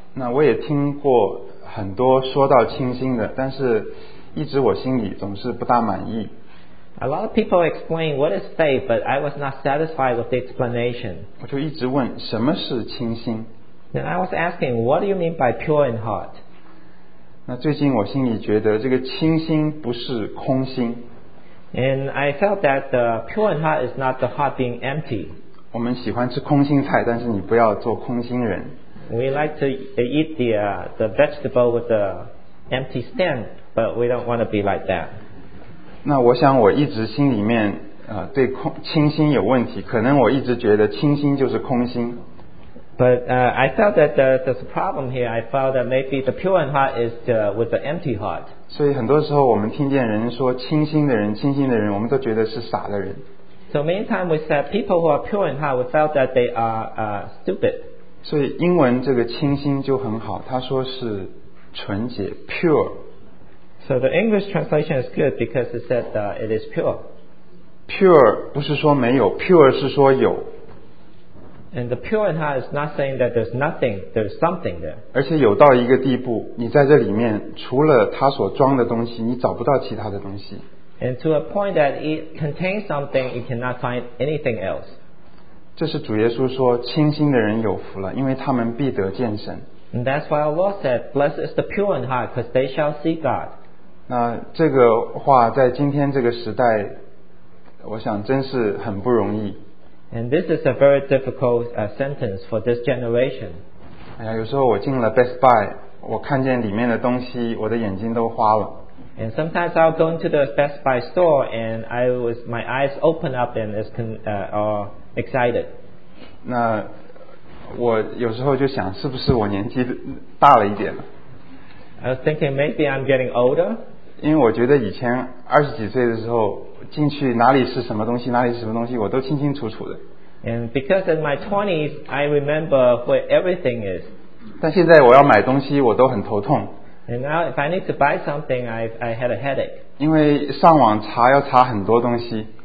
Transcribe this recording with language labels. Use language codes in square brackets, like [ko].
[zh] 那我也听过很多说到清心的，但是一直我心里总是不大满意。 [en] A lot of people explain what is faith, but I was not satisfied with the explanation. [zh] 我就一直问什么是清心。 [en] Then I was asking, what do you mean by pure in heart? [zh] 那最近我心里觉得这个清心不是空心。 [en] And I felt that the pure in heart is not the heart being empty. [zh] 我们喜欢吃空心菜，但是你不要做空心人。 [en] We like to eat the vegetable with the empty stem, but we don't want to be like that. [zh] 那我想我一直心里面对清心有问题，可能我一直觉得清心就是空心。 [en] But I felt that there's a problem here. I felt that maybe the pure in heart is with the empty heart. [zh] 所以很多时候我们听见人说清心的人，清心的人，我们都觉得是傻的人。 [en] So many times we said people who are pure in heart, we felt that they are stupid. [zh] 所以英文这个清心就很好，他说是纯洁 pure. [en] So the English translation is good because it said it is pure. [zh] Pure 不是说没有， pure 是说有。 [en] And the pure in heart is not saying that there's nothing, there's something there. [zh] 而且有到一个地步，你在这里面除了它所装的东西，你找不到其他的东西。 [en] And to a point that it contains something, you cannot find anything else. [zh] 这是主耶稣说清心的人有福了，因为他们必得见神。 [en] And that's why our Lord said, Blessed is the pure in heart, because they shall see God. [zh] 那这个话在今天这个时代，我想真是很不容易。 [en] And this is a very difficult sentence for this generation. [zh] 哎呀，有时候我进了 Best Buy， 我看见里面的东西，我的眼睛都花了。 [en] And sometimes I'll go into the Best Buy store, and my eyes open up and is excited. [zh] 那我有时候就想，是不是我年纪大了一点了？ [en] I was thinking maybe I'm getting older. [zh] 因为我觉得以前二十几岁的时候进去哪里是什么东西哪里是什么东西我都清清楚楚的。 [en] And because in my 20s, I remember where everything is. [zh] 但现在我要买东西我都很头痛。 [en] And now if I need to buy something, I had a headache. [zh] 因为上网查要查很多东西。